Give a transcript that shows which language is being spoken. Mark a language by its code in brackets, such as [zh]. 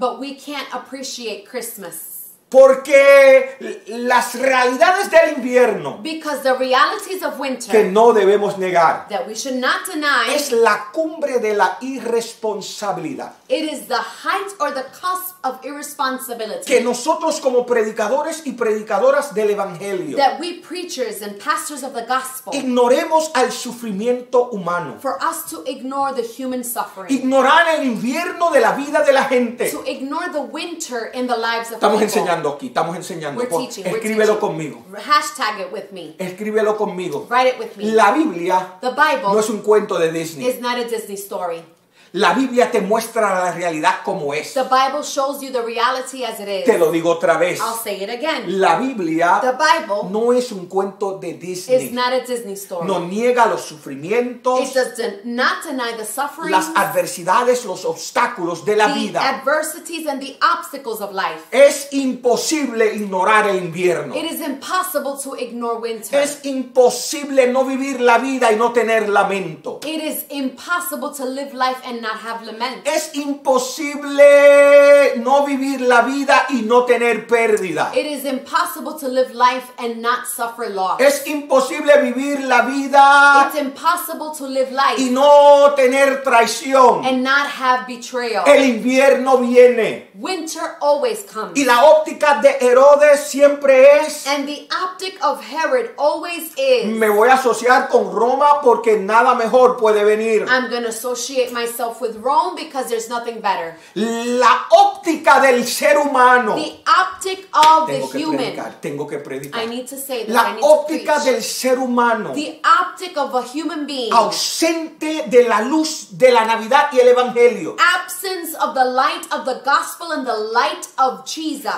[en] But we can't appreciate Christmas. [es] Porque las realidades del invierno. [en] Because the realities of winter. [es] Que no debemos negar. [en] That we should not deny. [es] Es la cumbre de la irresponsabilidad. [en] It is the height or the cusp of irresponsibility. [es] Que nosotros como predicadores y predicadoras del evangelio. [en] That we preachers and pastors of the gospel. [es] Ignoremos al sufrimiento humano. [en] For us to ignore the human suffering. [es] Ignorar el invierno de la vida de la gente. [en] To ignore the winter in the lives of [es] estamos [en] people. [es] Estamos enseñando. [en] We're teaching. [es] Escríbelo conmigo. [en] Hashtag it with me. [es] Escríbelo conmigo. [en] Write it with me. [es] La Biblia. [en] The Bible. [es] No es un cuento de Disney. [en] Is not a Disney story. [es] La Biblia te muestra la realidad como es. [en] The Bible shows you the reality as it is. [es] Te lo digo otra vez. [en] I'll say it again. [es] La Biblia. [en] The Bible. [es] No es un cuento de Disney. [en] Is not a Disney story. [es] No niega los sufrimientos. [en] It does not deny the suffering. [es] Las adversidades, los obstáculos de la vida. [en] The adversities and the obstacles of life. [es] Es imposible ignorar el invierno. [en] It is impossible to ignore winter. [es] Es imposible no vivir la vida y no tener lamento. [en] It is impossible to live life and not have lament. [es] Es imposible no vivir la vida y no tener pérdida. [en] It is impossible to live life and not suffer loss. [es] Es imposible vivir la vida. [en] It's impossible to live life. [es] Y no tener traición. [en] And not have betrayal. [es] El invierno viene. [en] Winter always comes. [es] Y la óptica de Herodes siempre es. [en] And the optic of Herod always is. [es] Me voy a asociar con Roma porque nada mejor puede venir. [en] I'm going to associate myself with Rome because there's nothing better. [es] La óptica del ser humano. [en] The optic of the human. [es] Tengo que predicar. [en] I need to say that. [es] La óptica del ser humano. [en] The optic of a human being. [es] Ausente de la luz de la Navidad y el Evangelio. [en] Absence of the light of the gospel and the light of Jesus.